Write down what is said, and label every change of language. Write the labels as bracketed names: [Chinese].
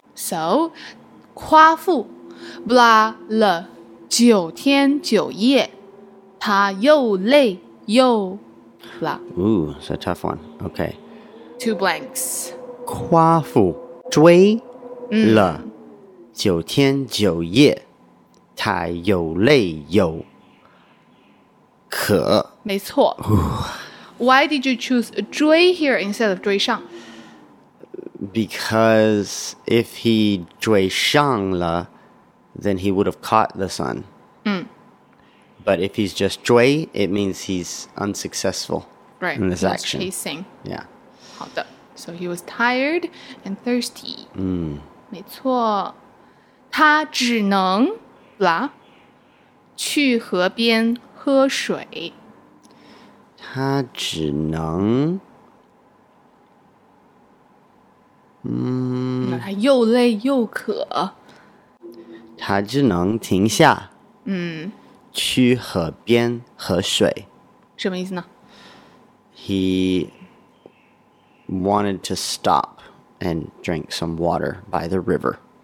[Chinese] So, 夸父不拉了九天九夜，他又累又拉。 [English] Ooh, it's a tough one. Okay. Two blanks. [Chinese] 夸父追了九天九夜，他又累又渴。没错。 [English] Why did you choose 追 here instead of 追上？ Because if he 追上了, then he would have caught the sun.、 Mm. But if he's just 追, it means he's unsuccessful、 right. in this he action. Right, he's chasing. Yeah. 好的, so he was tired and thirsty.、没错。 [Chinese] 他只能啦去河边喝水。他只能他又累又渴他只能停下、去河边喝水什么意思呢 [English] He wanted to stop and drink some water by the river